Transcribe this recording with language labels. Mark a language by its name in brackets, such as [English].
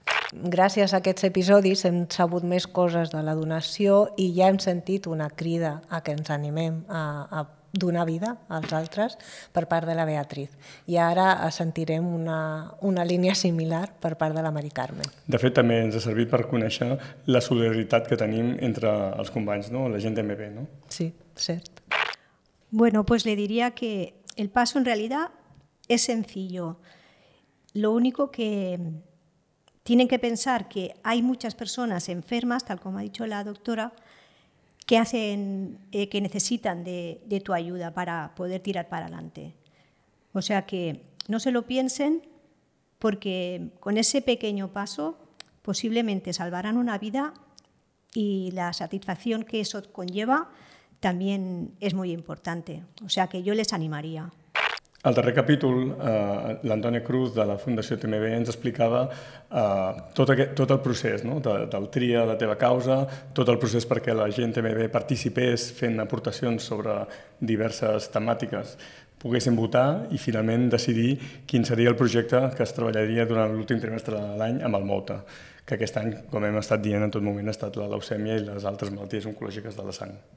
[Catalan] Gràcies a aquests episodis hem sabut més coses de la donació i ja hem sentit una crida a que ens animem a donar vida als altres per part de la Beatriz. I ara sentirem una línia similar per part de la Mari Carmen. De fet, també ens ha servit per conèixer la solidaritat que tenim entre els companys, no? La gent d'MB. No? Sí, cert. [Spanish] Bueno, pues le diría que el paso en realidad es sencillo. Lo único que tienen que pensar que hay muchas personas enfermas, tal como ha dicho la doctora, que hacen, que necesitan de tu ayuda para poder tirar para adelante. O sea que no se lo piensen, porque con ese pequeño paso posiblemente salvarán una vida y la satisfacción que eso conlleva también es muy importante. O sea que yo les animaría. [Catalan] Al darrer capítol, l'Antònia Cruz de la Fundació TMB ens explicava tot el procés, no? del tria de la teva causa, tot el procés perquè la gent TMB participés fent aportacions sobre diverses temàtiques, poguessin votar i finalment decidir quin seria el projecte que es treballaria durant l'últim trimestre de l'any amb el MOUTA, que aquest any, com hem estat dient en tot moment, ha estat la leucèmia i les altres malalties oncològiques de la sang.